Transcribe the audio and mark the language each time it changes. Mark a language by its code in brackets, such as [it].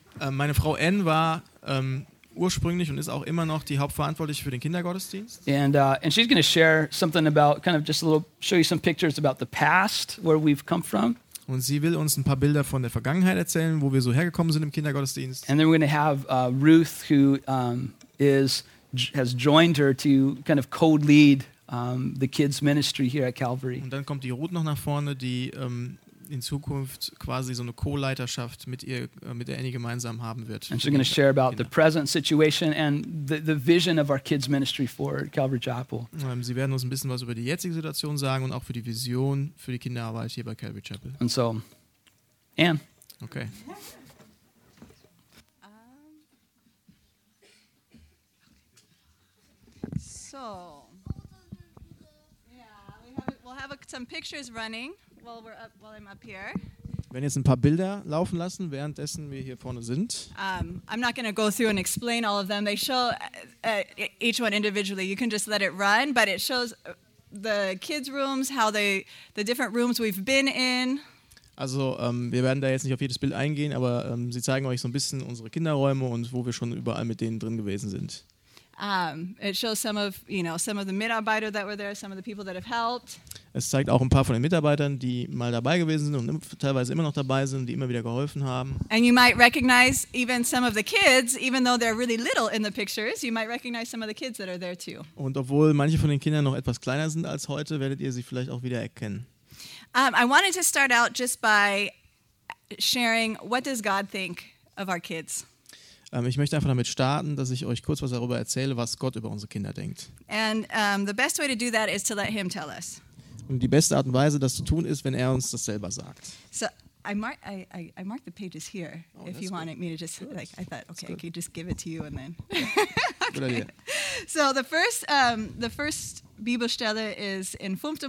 [de] Meine Frau Anne war ursprünglich und ist auch immer noch die Hauptverantwortliche für den Kindergottesdienst. [en] And she's going to share something about kind of just a little show you some pictures about the past where we've come from. [de] Und sie will uns ein paar Bilder von der Vergangenheit erzählen, wo wir so hergekommen sind im Kindergottesdienst. [en] And then we're going to have Ruth, who has joined her to kind of co-lead the kids ministry here at Calvary. [de] Und dann kommt die Ruth noch nach vorne, die in Zukunft quasi so eine Co-Leiterschaft mit ihr, mit der Annie gemeinsam haben wird. [en] And she's going to share about the present situation and the vision of our kids ministry for Calvary Chapel. [de] Sie werden uns ein bisschen was über die jetzige Situation sagen und auch für die Vision für die Kinderarbeit hier bei Calvary Chapel. [en] And so, Anne. Okay. So, yeah, we'll have some pictures running. While I'm up here. [de] Wenn jetzt ein paar Bilder laufen lassen, währenddessen wir hier vorne sind. [en] I'm not going to go through and explain all of them. They show each one individually. You can just let it run, but it shows the kids' rooms, how the different rooms we've been in. [de] Also wir werden da jetzt nicht auf jedes Bild eingehen, aber sie zeigen euch so ein bisschen unsere Kinderräume und wo wir schon überall mit denen drin gewesen sind. [en] It shows some of the Mitarbeiter that were there, some of the people that have helped. [de] Es zeigt auch ein paar von den Mitarbeitern, die mal dabei gewesen sind und teilweise immer noch dabei sind, die immer wieder geholfen haben. [en] And you might recognize even some of the kids, even though they're really little in the pictures, you might recognize some of the kids that are there too. [de] Und obwohl manche von den Kindern noch etwas kleiner sind als heute, werdet ihr sie vielleicht auch wieder erkennen. [en] I wanted to start out just by sharing what does God think of our kids? [de] Ich möchte einfach damit starten, dass ich euch kurz was darüber erzähle, was Gott über unsere Kinder denkt. [en] And the best way to do that is to let him tell us. [de] Und die beste Art und Weise, das zu tun, ist, wenn er uns das selber sagt. [en] So, I mark the pages here, oh, if you good. Wanted me to just, good. Like, I thought, okay, I could just give it to you and then. Okay. Good idea. So, the first Bibelstelle is in 5.